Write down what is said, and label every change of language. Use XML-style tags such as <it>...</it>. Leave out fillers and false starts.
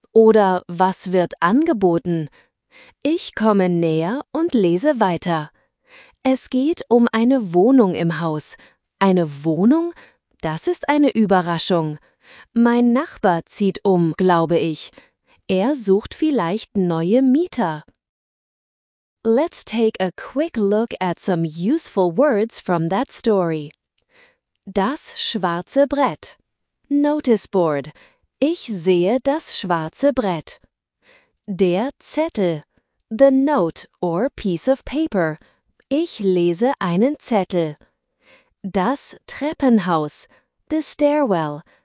<de>Oder was wird angeboten? Ich komme näher und lese weiter. Es geht um eine Wohnung im Haus. Eine Wohnung? Das ist eine Überraschung. Mein Nachbar zieht um, glaube ich. Er sucht vielleicht neue Mieter.</de> <en>Let's take a quick look at some useful words from that story.</en> <de>Das schwarze Brett.</de> <en>Notice board.</en> <de>Ich sehe das schwarze Brett. Der Zettel.</de> <en>The note or piece of paper.</en> <de>Ich lese einen Zettel. Das Treppenhaus.</de> <en>The stairwell.</en>